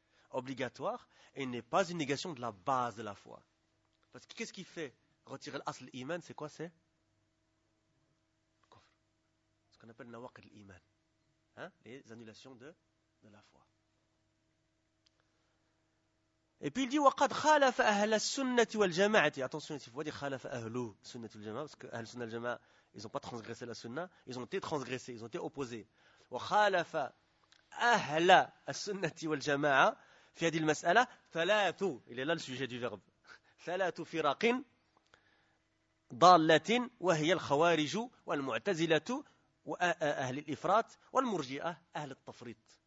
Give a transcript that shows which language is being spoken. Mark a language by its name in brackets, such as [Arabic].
[French] Obligatoire, et n'est pas une négation de la base de la foi. Parce que qu'est-ce qui fait retirer l'asl iman, c'est quoi c'est ? Ce qu'on appelle nawaqid al-iman. Hein ? Les annulations de la foi. Et puis il dit [Arabic] وَقَدْ خَالَفَ أَهْلَ السُنَّةِ وَالْجَمَعَةِ. [French] Attention, il faut dire [Arabic] خَالَفَ أَهْلُ سُنَّةِ وَالْجَمَعَةِ, [French] parce que [Arabic] أَهْلَ سُنَّةِ وَالْجَمَعَةِ, [French] ils n'ont pas transgressé la sunna, ils ont été transgressés, ils ont été opposés. [Arabic] وَخَالَفَ أَهْلَ السُنَّةِ وَالْجَمَعَةِ فِي هَذِهِ الْمَسْأَلَةِ ثَلَاثُ. [French] Il est là le sujet du verbe. [Arabic] ثَلَاثُ فِرَاقٍ ضَالَّةٍ وَهِيَ الْخَوَارِجُ وَالْمُعْتَزِلَةُ وَأَهْلِ الْإِفْرَاطِ وَالْمُرْجِئَةُ أَهْلِ التَّفْرِيطِ.